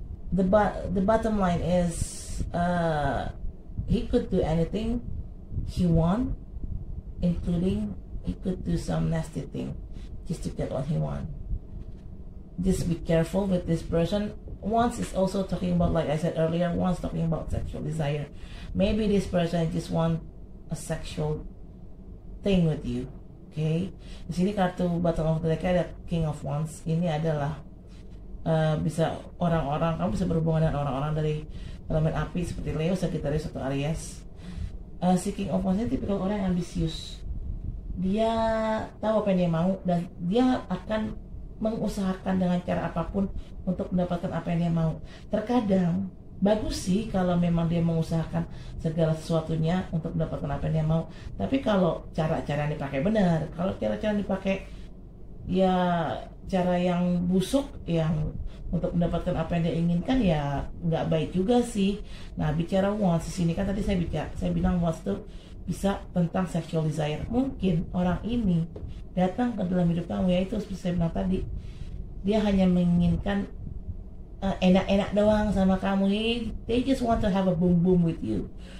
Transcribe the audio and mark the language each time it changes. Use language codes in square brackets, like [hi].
[en] The bottom line is, he could do anything he want, including he could do some nasty thing just to get what he want. Just be careful with this person. Once is also talking about, like I said earlier, once talking about sexual desire. Maybe this person just want a sexual thing with you. [id] Okay, di sini kartu bottom of the deck ada King of Wands. Ini adalah bisa orang-orang, kamu bisa berhubungan dengan orang-orang dari elemen api seperti Leo, Sagittarius, atau Aries. Si King of Wands ini tipikal orang yang ambisius. Dia tahu apa yang dia mau, dan dia akan mengusahakan dengan cara apapun untuk mendapatkan apa yang dia mau. Terkadang bagus sih kalau memang dia mengusahakan segala sesuatunya untuk mendapatkan apa yang dia mau. Tapi kalau cara-cara yang dipakai benar, kalau cara-cara yang dipakai ya cara yang busuk, yang untuk mendapatkan apa yang dia inginkan, ya nggak baik juga sih. Nah, bicara wants di sini kan tadi saya bilang wants itu bisa tentang sexual desire. Mungkin orang ini datang ke dalam hidup kamu, ya itu seperti saya bilang tadi, dia hanya menginginkan enak-enak doang sama kamu. [en] They just want to have a boom boom with you.